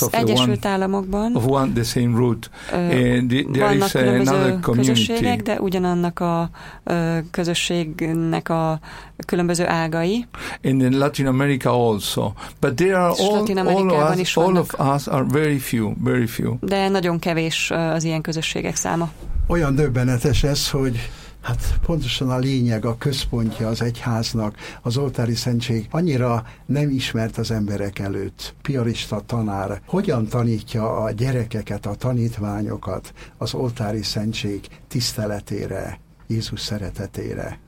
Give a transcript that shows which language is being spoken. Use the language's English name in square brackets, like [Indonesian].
[Hungarian] of Egyesült Államokban [English] of one, the same root. [Hungarian] Vannak különböző közösségek, de ugyanannak a közösségnek a különböző ágai. [English] And in Latin America also. But there are all of us are very few. [Hungarian] De nagyon kevés az ilyen közösségek száma. Olyan döbbenetes ez, hogy Hát pontosan a lényeg, a központja az egyháznak, az oltári szentség annyira nem ismert az emberek előtt. Piarista tanár, hogyan tanítja a gyerekeket, a tanítványokat az oltári szentség tiszteletére, Jézus szeretetére?